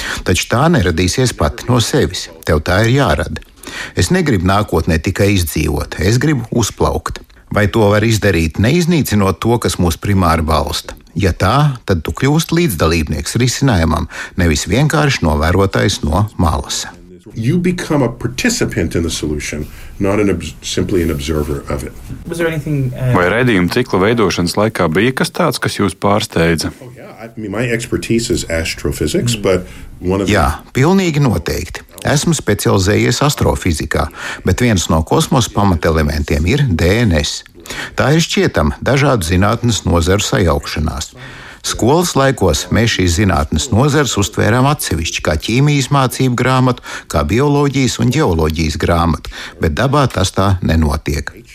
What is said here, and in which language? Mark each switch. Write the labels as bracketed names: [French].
[Latvian] Taču tā neradīsies pati no sevis, tev tā ir jārada. Es negribu nākotnē tikai izdzīvot, es gribu uzplaukt. Vai to var izdarīt, neiznīcinot to, kas mūs primāri balsta? Ja tā, tad tu kļūst līdzdalībnieks risinājumam, nevis vienkārši novērotājs no malas. [English] You become a participant in the solution, not simply an observer of it. [Latvian] Vai redzējumu ciklu veidošanas laikā bija kas tāds, kas jūs pārsteidza? [English] My expertise is astrophysics, but one of [Latvian] Jā, pilnīgi noteikti. Esmu specializējies astrofizikā, bet viens no kosmosa pamatelementiem ir DNS. Tā ir šķietam dažādu zinātnes nozaru sajaukšanās. Skolas laikos mēs šīs zinātnes nozeres uztvērām atsevišķi kā ķīmijas mācību grāmatu, kā bioloģijas un ģeoloģijas grāmatu, bet dabā tas tā nenotiek.